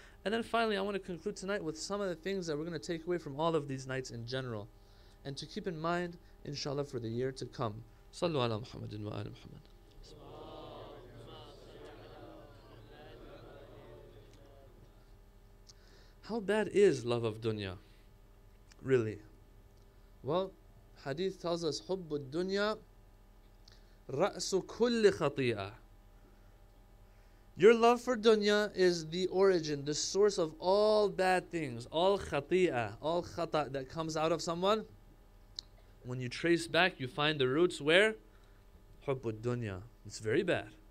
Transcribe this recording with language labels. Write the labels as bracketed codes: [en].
[en] And then finally, I want to conclude tonight with some of the things that we're going to take away from all of these nights in general, and to keep in mind, inshallah, for the year to come. [ar] Sallu ala Muhammadin wa ala Muhammad. [en] How bad is love of dunya, really? Well, hadith tells us, [ar] حُبُّ الدُّنْيَا رَأْسُ كُلِّ خَطِيئَةٍ. [en] Your love for dunya is the origin, the source of all bad things, all khati'a, all khata' that comes out of someone. When you trace back, you find the roots where? [ar] حُبُّ الدُّنْيَا. [en] It's very bad.